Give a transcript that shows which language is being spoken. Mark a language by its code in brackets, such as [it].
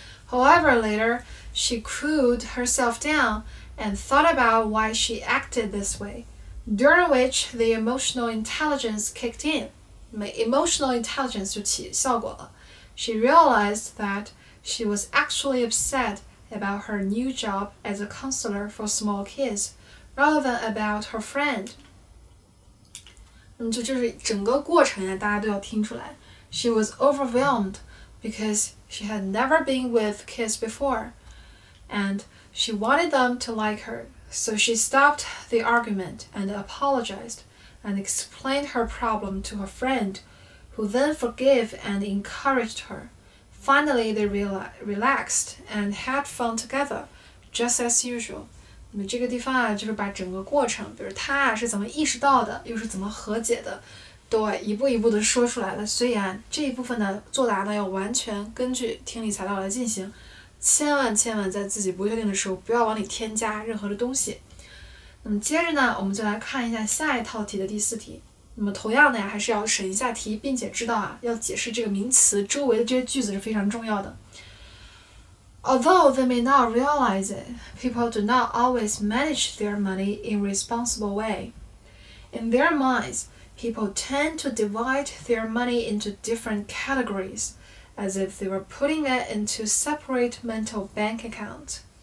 [en] However, later, she cooled herself down and thought about why she acted this way, during which the emotional intelligence kicked in. Emotional intelligence [zh] 就起效果了。 [en] She realized that she was actually upset about her new job as a counselor for small kids rather than about her friend. [zh] 就是整个过程、大家都要听出来。 [en] She was overwhelmed because she had never been with kids before, and she wanted them to like her. So she stopped the argument and apologized and explained her problem to her friend, who then forgave and encouraged her. Finally, they relaxed and had fun together, just as usual. [zh] 那么这个地方啊，就是把整个过程，比如他啊是怎么意识到的，又是怎么和解的，都一步一步的说出来了。虽然这一部分的作答呢要完全根据听力材料来进行，千万千万在自己不确定的时候不要往里添加任何的东西。那么接着呢，我们就来看一下下一套题的第四题。那么同样的呀，还是要审一下题，并且知道啊要解释这个名词周围的这些句子是非常重要的。 [en] Although they may not realize it, people do not always manage their money in a responsible way. In their minds, people tend to divide their money into different categories, as if they were putting it into a separate mental bank account.